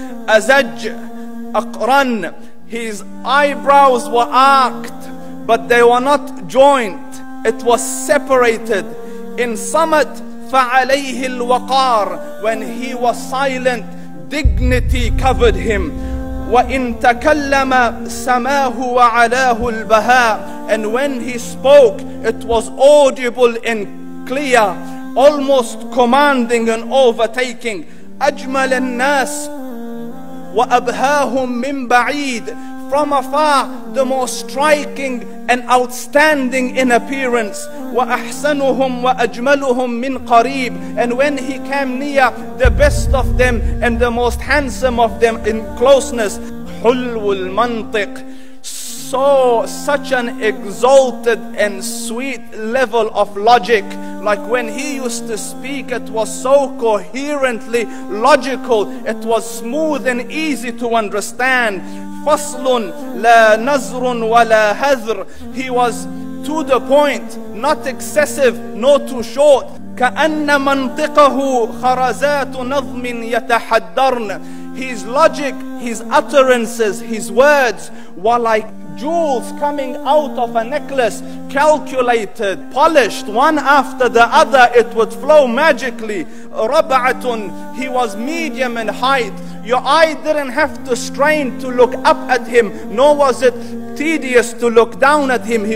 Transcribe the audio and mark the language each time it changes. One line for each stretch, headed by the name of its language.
Arabic: أزج أقرن.
English: His eyebrows were arched, but they were not joint. It was separated.
Arabic: In summit, فعليه الوقار.
English: When he was silent, dignity covered him.
Arabic: وإن تكلم سماه وعلاه البهاء.
English: And when he spoke, it was audible and clear, almost commanding and overtaking.
Arabic: أجمل الناس وأبهاهم من بعيد.
English: From afar, the most striking and outstanding in appearance.
Arabic: وأحسنهم وأجملهم من قريب.
English: And when he came near, the best of them and the most handsome of them in closeness.
Arabic: حلو المنطق.
English: So such an exalted and sweet level of logic. Like when he used to speak, it was so coherently logical. It was smooth and easy to understand.
Arabic: فصل لا نزر ولا هذر.
English: He was to the point, not excessive, nor too short.
Arabic: كأن منطقه خرزات نظم يتحدرن.
English: His logic, his utterances, his words were like jewels coming out of a necklace, calculated, polished, one after the other, it would flow magically. رَبَعَةٌ. He was medium in height. Your eye didn't have to strain to look up at him, nor was it tedious to look down at him.